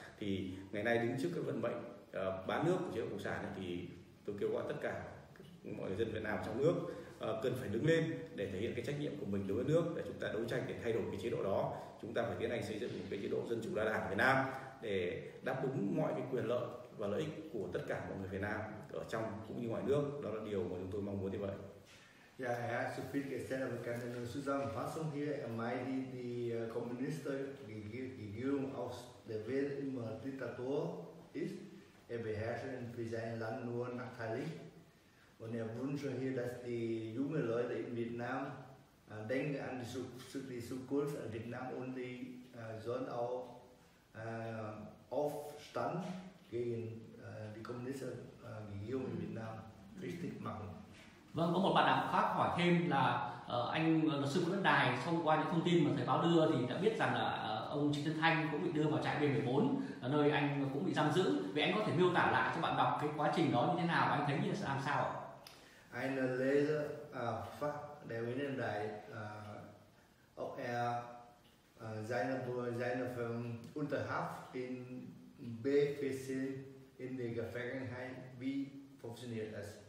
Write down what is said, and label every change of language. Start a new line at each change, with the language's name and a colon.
Vietnamese: Thì ngày nay đứng trước cái vận mệnh bán nước của chế độ cộng sản ấy, thì tôi kêu gọi tất cả mọi người dân Việt Nam trong nước cần phải đứng lên để thể hiện cái trách nhiệm của mình đối với nước, để chúng ta đấu tranh để thay đổi cái chế độ đó. Chúng ta phải tiến hành xây dựng một cái chế độ dân chủ đa đảng Việt Nam để đáp ứng mọi cái quyền lợi và lợi ích của tất cả mọi người Việt Nam ở trong cũng như ngoài nước. Đó là điều mà chúng tôi mong muốn như vậy.
German: Ja, er hat so viel gesagt, aber ich kann nur zusammenfassen hier. Er meint, die Kommunistenregierung aus der Welt immer Diktator ist. Er beherrscht für sein Land nur nachteilig. Und er wünscht hier, dass die jungen Leute in Vietnam denken an die Zukunft in Vietnam und die sollen auch Aufstand gegen die Kommunistenregierung in Vietnam richtig machen.
Vietnamese: Vâng, có một bạn đọc khác hỏi thêm là anh luật sư Nguyễn Văn Đài, thông qua những thông tin mà thời báo đưa thì đã biết rằng là ông Trịnh Xuân Thanh cũng bị đưa vào trại B14, nơi anh cũng bị giam giữ. Vậy anh có thể miêu tả lại cho bạn đọc cái quá trình đó như thế nào và anh thấy như là làm sao ạ?
German: Eine Lese Fach der Nguyễn Văn Đài, ob er seine Unterhaft in B14 in der Gefängnis, wie funktioniert das?